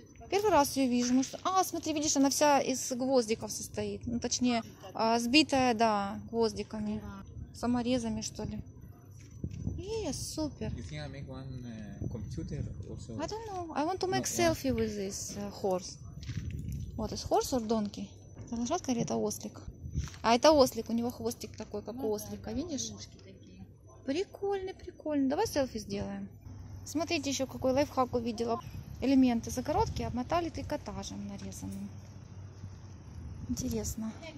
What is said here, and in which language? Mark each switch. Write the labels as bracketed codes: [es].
[ru] Первый раз ее вижу. Может... А, смотри, видишь, она вся из гвоздиков состоит. Ну, точнее, сбитая, да, гвоздиками. Саморезами, что ли. Yes, супер. [en] You think I make one computer also? I don't know. I want to make selfie with this horse. What is horse or donkey? [ru] Это лошадка или это ослик? А это ослик, у него хвостик такой, как у ослика, видишь? Прикольный, прикольный. Давай селфи сделаем. Смотрите еще, какой лайфхак увидела. Элементы загородки обмотали трикотажем нарезанным. Интересно.